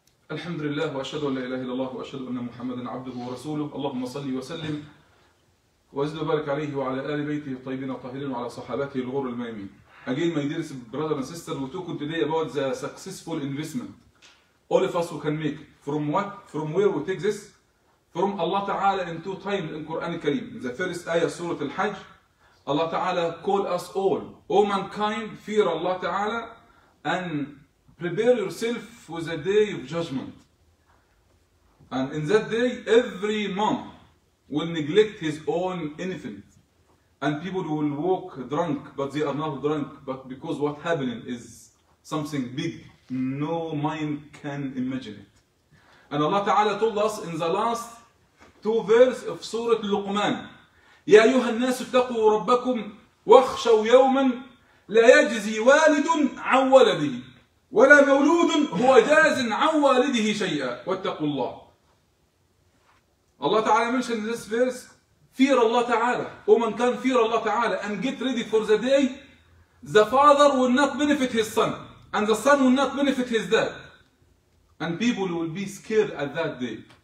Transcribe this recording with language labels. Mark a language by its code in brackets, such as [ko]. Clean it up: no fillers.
[ar] الحمد لله وأشهد أن لا إله إلا الله وأشهد أن محمدا عبده ورسوله. اللهم صل وسلم وزد وبارك عليه وعلى آل بيته الطيبين الطاهرين وعلى صحابته الغر الميمين. [en] Again, my dear brother and sister, we talk today about the successful investment. All of us who can make from what, from where we take this, from Allah Ta'ala in 2 times in Quran al-Karim. In the first ayah, Surah Al-Hajj, Allah Ta'ala call us all, all mankind, fear Allah Ta'ala and prepare yourself for the day of judgment. And in that day, every man will neglect his own infant. And people will walk drunk, but they are not drunk, but because what happening is something big no mind can imagine it. And Allah Ta'ala told us in the last two verses of Surah Luqman, [ar] يا أيها الناس اتقوا ربكم واخشوا يوما لا يجزي والد عن ولده ولا مولود هو جاز عن والده شيئا واتقوا الله. [en] Allah Ta'ala mentioned in this verse, fear Allah Ta'ala. [ar] ومن كان [en] fear Allah Ta'ala and get ready for the day, the father will not benefit his son and the son will not benefit his dad. And people will be scared at that day.